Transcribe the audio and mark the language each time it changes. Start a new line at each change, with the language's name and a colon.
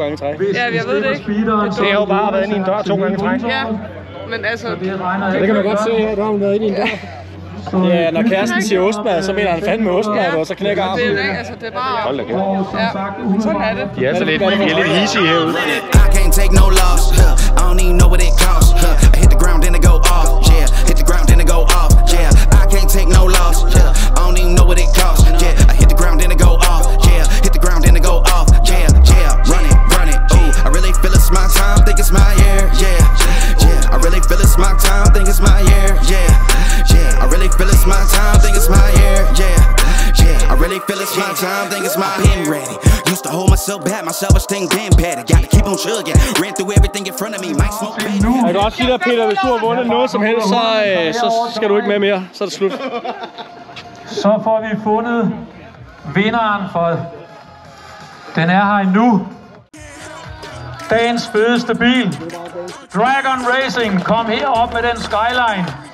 Danish: Ja, jeg ved det ikke. Det har jo bare været inde i en dør 2x3. Ja, men altså... Det kan man godt se her, der har hun været inde i en dør. Ja, når kæresten siger ostmad, så mener han fandme ostmad, og så knækker armen. Det er det, altså det er bare... Hold da kæft. Sådan er det. Ja, så lidt, de er lidt easy herude.
English: I can't take no loss, I don't even know what it costs. I hit the ground and it go off, yeah. Hit the ground and it go off, yeah. I can't take no loss, yeah. I don't even know what it costs, yeah. I hit the ground and it go off, yeah. Hit the ground and it go off, yeah, yeah. Run it, ooh. I really feel it's my time, think it's my year, yeah. I really feel it's my time, think it's my year, yeah, yeah. I really feel it's my time, think it's my year, yeah, yeah. I really feel it's my time, think it's my pen ready. Used to hold myself back, my self-esteem been padded. Gotta keep on chugging, yeah. Ran through everything in front of me, my smoke pen.
Danish: Jeg kan også sige dig, Peter, hvis du har vundet noget som helst, så skal du ikke med mere, så er det slut. Så får vi fundet vinderen, for den er her endnu. dagens fedeste bil. Dragon Racing, kom her op med den Skyline.